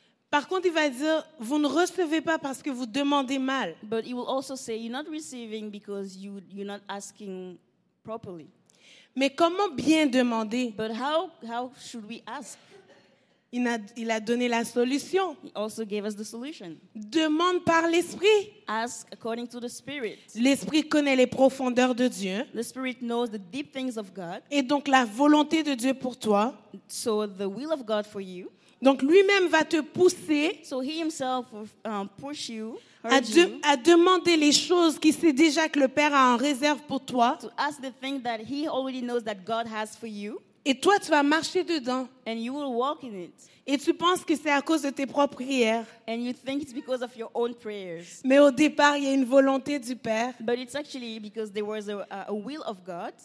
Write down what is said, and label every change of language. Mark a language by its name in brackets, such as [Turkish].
[French] Par contre, il va dire, vous ne recevez pas parce que vous demandez mal. [English] But he will also say, you're not receiving because you're not asking properly. [French] Mais comment bien demander? [English] But how should we ask? [French] Il a donné la solution. [English] He also gave us the solution. [French] Demande par l'Esprit. [English] Ask according to the Spirit. [French] L'Esprit connaît les profondeurs de Dieu. [English] The Spirit knows the deep things of God. [French] Et donc la volonté de Dieu pour toi. [English] So the will of God for you. [French] Donc lui-même va te pousser. [English] So he himself will push you. [French] À demander les choses qu'il sait déjà que le Père a en réserve pour toi. [English] To ask the things that he already knows that God has for you. [French] Et toi, tu vas marcher dedans. [English] And you will walk in it. [French] Et tu penses que c'est à cause de tes propres prières. [English] And you think it's because of your own prayers. [French] Mais au départ, il y a une volonté du Père. [English] But it's actually because there was a will of God.